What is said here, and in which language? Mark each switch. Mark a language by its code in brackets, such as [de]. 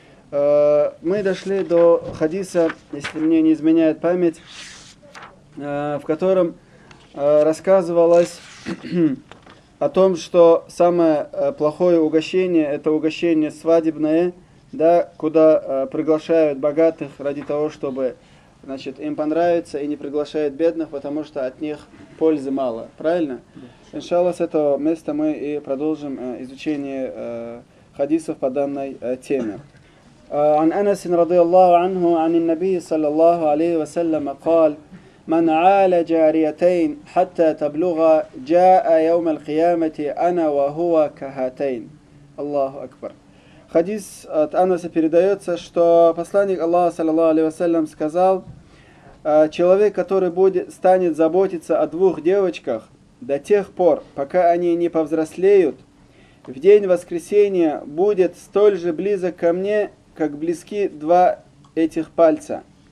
[ru] Мы дошли до хадиса, если мне не изменяет память, в котором рассказывалось о том, что самое плохое угощение – это угощение свадебное, да, куда приглашают богатых ради того, чтобы им понравиться, и не приглашают бедных, потому что от них пользы мало. Правильно? Иншаллах, с этого места мы и продолжим изучение хадисов по данной теме. [ar] عن أنس رضي الله عنه عن النبي صلى الله عليه وسلم قال من عال جاريتين حتى تبلغ جاء يوم القيامة أنا وهو كهاتين. الله أكبر. [ru] Хадис от Анаса передается, что посланник Аллаха [ar] صلى الله عليه وسلم [ru] сказал: человек, который станет заботиться о двух девочках до тех пор, пока они не повзрослеют, в день воскресения будет столь же близок ко мне, как близки два этих пальца.